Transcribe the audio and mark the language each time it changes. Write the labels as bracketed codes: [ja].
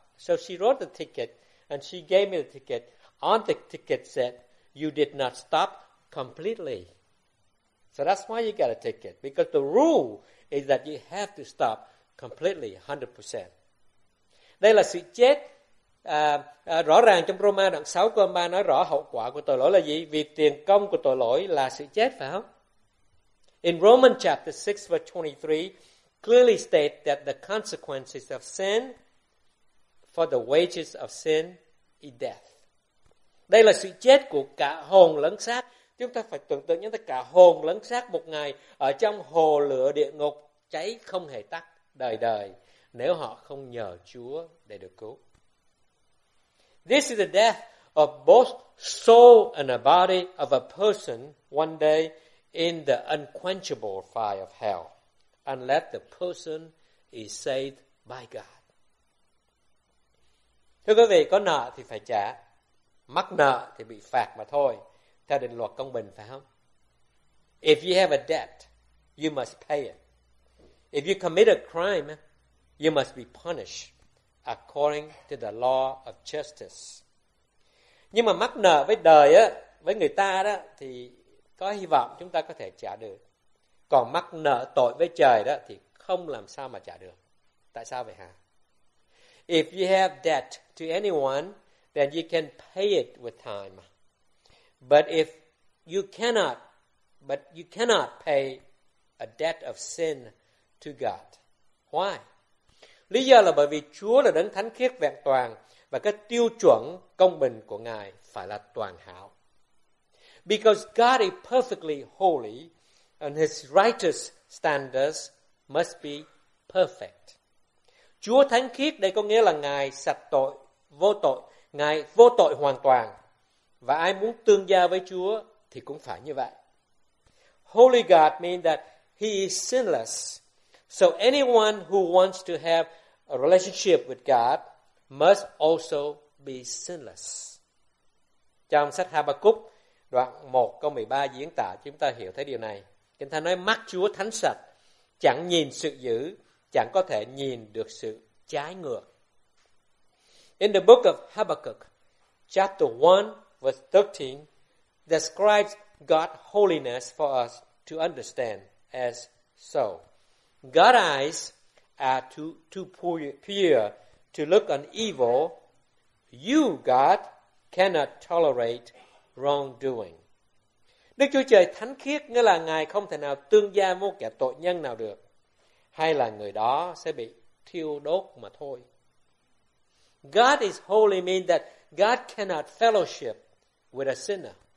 [en] So she wrote the ticket and she gave me the ticket. On the ticket said, you did not stop completely. So that's why you get a ticket, because the rule is that you have to stop completely, 100%. [vi] Đây là sự chết Rõ ràng trong Roma đoạn 6 câu 3 nói rõ hậu quả của tội lỗi là gì? Vì tiền công của tội lỗi là sự chết, phải không? [en] In Romans chapter 6 verse 23 clearly state that the consequences of sin for the wages of sin is death. [vi] Đây là sự chết của cả hồn lẫn xác. Chúng ta phải tưởng tượng như cả hồn lẫn xác một ngày ở trong hồ lửa địa ngục cháy không hề tắt đời đời nếu họ không nhờ Chúa để được cứu. [en] This is the death of both soul and a body of a person one day in the unquenchable fire of hell, unless the person is saved by God. [vi] Thưa quý vị, có nợ thì phải trả, mắc nợ thì bị phạt mà thôi, theo định luật công bình, phải không? [en] If you have a debt, you must pay it. If you commit a crime, you must be punished according to the law of justice. [vi] Nhưng mà mắc nợ với đời á, với người ta đó, thì có hy vọng chúng ta có thể trả được. Còn mắc nợ tội với trời đó thì không làm sao mà trả được. Tại sao vậy hả? [en] If you have debt to anyone, then you can pay it with time. But if you cannot pay a debt of sin to God. Why? [vi] Lý do là bởi vì Chúa là đấng thánh khiết vẹn toàn và cái tiêu chuẩn công bình của Ngài phải là toàn hảo. [en] Because God is perfectly holy and His righteous standards must be perfect. [vi] Chúa thánh khiết đây có nghĩa là Ngài sạch tội, vô tội. Ngài vô tội hoàn toàn. Và ai muốn tương giao với Chúa thì cũng phải như vậy. [en] Holy God means that He is sinless. So anyone who wants to have a relationship with God must also be sinless. [vi] Trong sách Habakkuk đoạn 1 câu 13 diễn tả chúng ta hiểu thấy điều này. Kinh Thánh nói mắt Chúa thánh sạch, chẳng nhìn sự dữ, chẳng có thể nhìn được sự trái ngược. [en] In the book of Habakkuk, chapter 1 verse 13 describes God's holiness for us to understand as so. God's eyes are too pure to look on evil. You, God, cannot tolerate wrongdoing. [vi] Đức Chúa Trời thánh khiết nghĩa là Ngài không thể nào tương giao với kẻ tội nhân nào được, hay là người đó sẽ bị thiêu đốt mà thôi. [en] God is holy means that God cannot fellowship with a sinner.